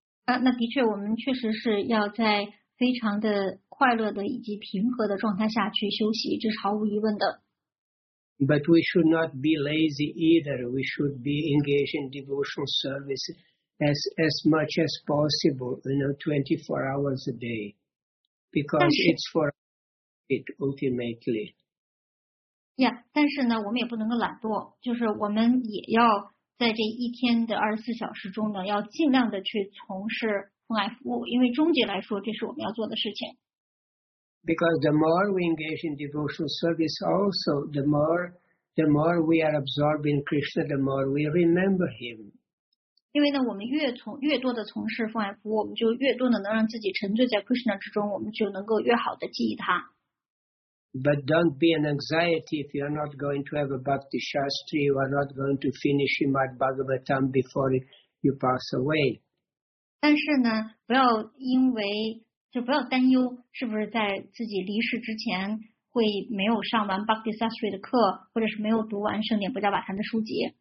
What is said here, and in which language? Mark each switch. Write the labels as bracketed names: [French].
[Chinese] 那的确，我们确实是要在非常的快乐的以及平和的状态下去休息，这是毫无疑问的。 [English] But we should not be lazy either. We should be engaged in devotional service as much as possible, you know, 24 hours a day. Because it's for it ultimately. [Chinese] Yeah, 但是呢我们也不能够懒惰，就是我们也要在这一天的24小时中呢要尽量的去从事奉爱服务，因为终极来说这是我们要做的事情。 [English] Because the more we engage in devotional service also, the more we are absorbed in Krishna, the more we remember him. [Chinese] 因为呢我们越多的从事奉爱服务，我们就越多的能让自己沉醉在 Krishna 之中，我们就能够越好的记忆他。 [English] But don't be an anxiety if you are not going to have a Bhakti Shastri, you are not going to finish Srimad Bhagavatam before you pass away. [Chinese] 但是呢，不要因为就不要担忧，是不是在自己离世之前会没有上完 Bhakti Shastri 的课，或者是没有读完圣典不加瓦坛的书籍。